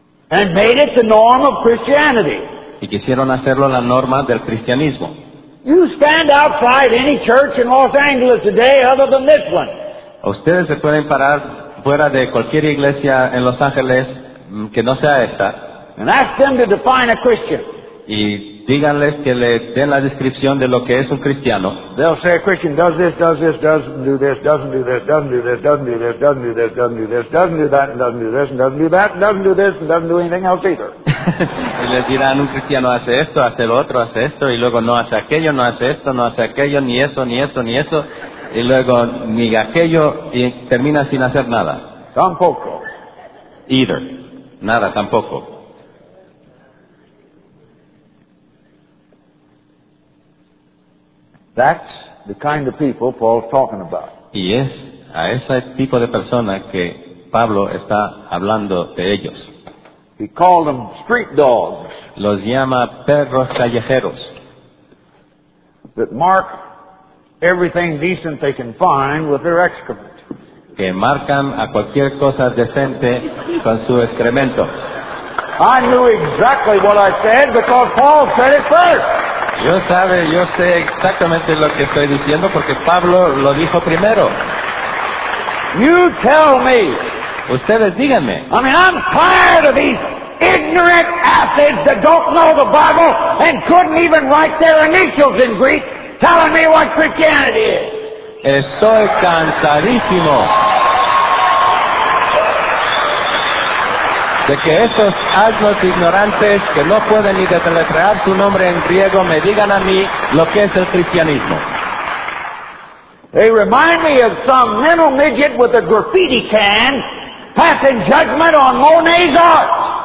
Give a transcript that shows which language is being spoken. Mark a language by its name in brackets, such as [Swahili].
[English] And made it the norm of Christianity. [Spanish] Y quisieron hacerlo la norma del cristianismo. [English] You stand outside any church in Los Angeles today other than this one. [Spanish] Ustedes se pueden parar fuera de cualquier iglesia en Los Ángeles que no sea esta. [English] And ask them to define a Christian. [Spanish] Y díganles que le den la descripción de lo que es un cristiano. [English] They'll say a Christian does this, doesn't do this, doesn't do this, doesn't do this, doesn't do this, doesn't do this, doesn't do this, doesn't do that, doesn't do this, doesn't do that, doesn't do this, and doesn't do anything else either. [Spanish] Y les dirán, un cristiano hace esto, hace lo otro, hace esto, y luego no hace aquello, no hace esto, no hace aquello, ni eso, ni eso, ni eso, y luego ni aquello, y termina sin hacer nada. Tampoco. [English] Either. [Spanish] Nada, tampoco. [English] That's the kind of people Paul's talking about. [Spanish] Y es a ese tipo de persona que Pablo está hablando de ellos. [English] He called them street dogs. [Spanish] Los llama perros callejeros. [English] That mark everything decent they can find with their excrement. [Spanish] Que marcan a cualquier cosa decente con su excremento. [English] I knew exactly what I said because Paul said it first. [Spanish] Yo sé exactamente lo que estoy diciendo porque Pablo lo dijo primero. [English] You tell me. [Spanish] Ustedes díganme. [English] I mean, I'm tired of these ignorant athletes that don't know the Bible and couldn't even write their initials in Greek, telling me what Christianity is. [Spanish] Estoy cansadísimo de que esos asnos ignorantes que no pueden ni deletrear su nombre en griego me digan a mí lo que es el cristianismo. [English] They remind me of some mental midget with a graffiti can passing judgment on Monet's art.